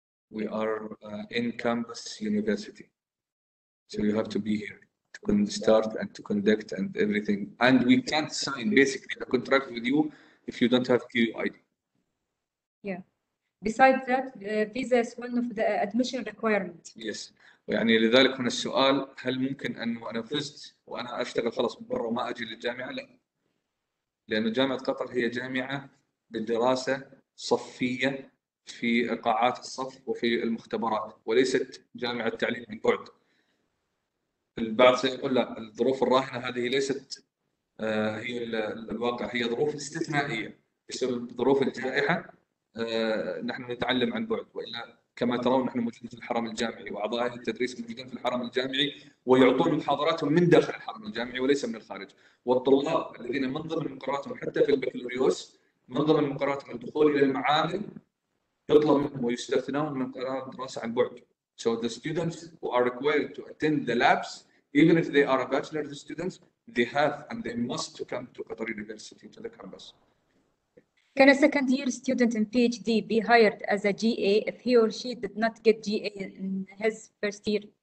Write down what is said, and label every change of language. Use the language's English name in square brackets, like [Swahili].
[English] We are in campus university. So you have to be here to start and to conduct and everything. And we can't sign basically a contract with you if you don't have QID. Yeah. Besides that, visa is one of the admission requirements. Yes. [Arabic] يعني لذلك من السؤال هل ممكن أن أنا فزت وأنا أشتغل خلاص برا وما أجي للجامعة؟ لا. لأن جامعة قطر هي جامعة بالدراسة صفية في قاعات الصف وفي المختبرات وليست جامعة تعليم عن بعد. البعض سيقول لا الظروف الراهنة هذه ليست هي الواقع، هي ظروف استثنائية بسبب ظروف الجائحة. نحن نتعلم عن بعد، وإلا كما ترون نحن موجودين في الحرم الجامعي وأعضاء التدريس موجودين في الحرم الجامعي ويعطون محاضراتهم من داخل الحرم الجامعي وليس من الخارج. والطلاب الذين من ضمن مقراتهم حتى في البكالوريوس من ضمن مقراتهم الدخول إلى المعامل يطلب منهم ويستثنون من قرار الدراسة عن بعد. [English] So the students who are required to attend the labs, even if they are a bachelor students, they have and they must to come to Qatar University to the campus. Can a second year student in PhD be hired as a GA if he or she did not get GA in his first year?